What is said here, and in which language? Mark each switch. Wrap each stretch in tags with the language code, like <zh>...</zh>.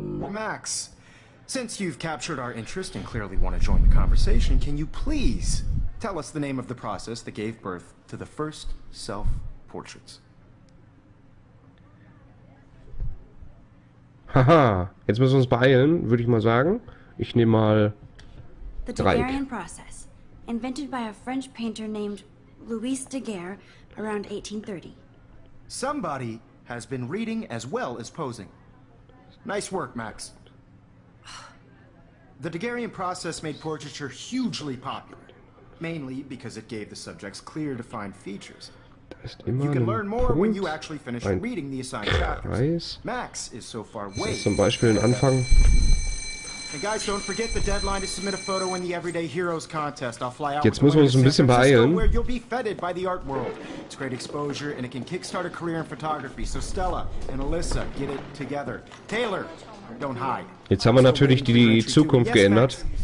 <en>Max, since you've captured our interest and clearly want to join the conversation, can you please tell us the name of the process that gave birth to the first self-portraits?</en> <de>Haha, jetzt müssen wir uns beeilen, würde ich mal sagen. Ich nehme mal</de> <en>The Daguerrean process, invented by a French painter named Louis Daguerre around 1830. Somebody has been reading as well as posing. Nice work, Max. The Daguerrean process made portraiture hugely popular, mainly because it gave the subjects clear defined features. You can learn more when you actually finish reading the assigned chapters. Max is so far way</en> <de>zum Beispiel ein Anfang.</de> <en>And guys, don't forget the deadline to submit a photo in the Everyday Heroes contest. I'll fly out.</en> <de>Jetzt müssen wir uns ein bisschen beeilen.</de> <en>Where you'll be feted by the art world. It's great exposure and it can kickstart a career in photography. So Stella and Alyssa, get it together. Taylor, don't hide.</en> <de>Jetzt haben wir natürlich die Zukunft geändert.</de>